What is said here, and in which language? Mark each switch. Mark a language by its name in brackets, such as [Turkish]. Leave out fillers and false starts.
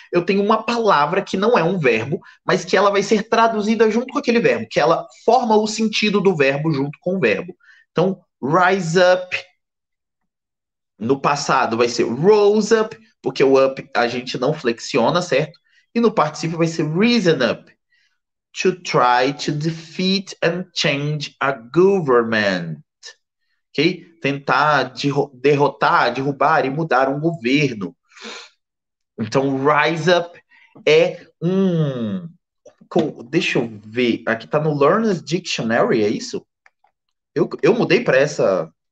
[Portuguese] Eu tenho uma palavra que não é um verbo, mas que ela vai ser traduzida junto com aquele verbo, que ela forma o sentido do verbo junto com o verbo. Então, rise up no passado vai ser rose up, porque o up a gente não flexiona, certo? E no particípio vai ser reason up. [English] To try to defeat and change a government. Ok? [Portuguese] Tentar derrotar, derrubar e mudar um governo. Então, rise up é um. Deixa eu ver. Aqui está no Learner's Dictionary, é isso? Eu mudei para essa.